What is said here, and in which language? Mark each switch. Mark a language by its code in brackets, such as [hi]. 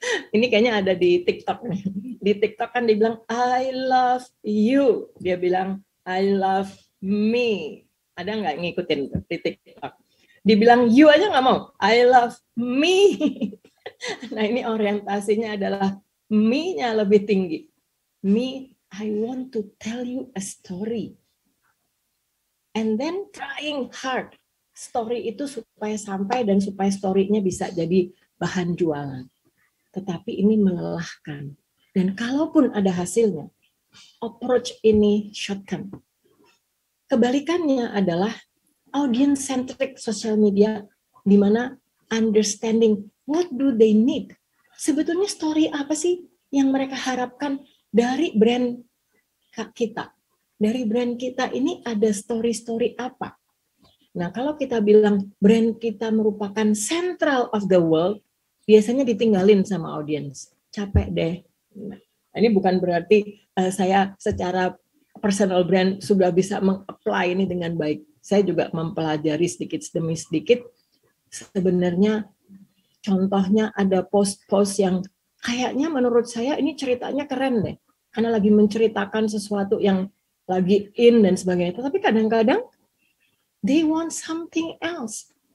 [id] Ini kayaknya ada di TikTok. Di TikTok kan dibilang [en] I love you. [id] Dia bilang [en] I love me. [id] Ada nggak ngikutin di TikTok? Dibilang you aja nggak mau. [en] I love me. [id] Nah, ini orientasinya adalah me-nya lebih tinggi. [en] Me, I want to tell you a story. And then trying hard. [id] Story itu supaya sampai dan supaya story-nya bisa jadi bahan jualan. Tetapi ini melelahkan. Dan kalaupun ada hasilnya, approach ini short term. Kebalikannya adalah audience-centric social media di mana [en] understanding what do they need. [id] Sebetulnya story apa sih yang mereka harapkan dari brand kita. Dari brand kita ini ada story-story apa. Nah, kalau kita bilang brand kita merupakan [en] central of the world, [id] biasanya ditinggalin sama audience. Capek deh. Nah, ini bukan berarti saya secara personal brand sudah bisa meng-apply ini dengan baik. Saya juga mempelajari sedikit demi sedikit. Sebenarnya contohnya ada post-post yang kayaknya menurut saya ini ceritanya keren deh. Karena lagi menceritakan sesuatu yang lagi in dan sebagainya. Tapi kadang-kadang [en] they want something else.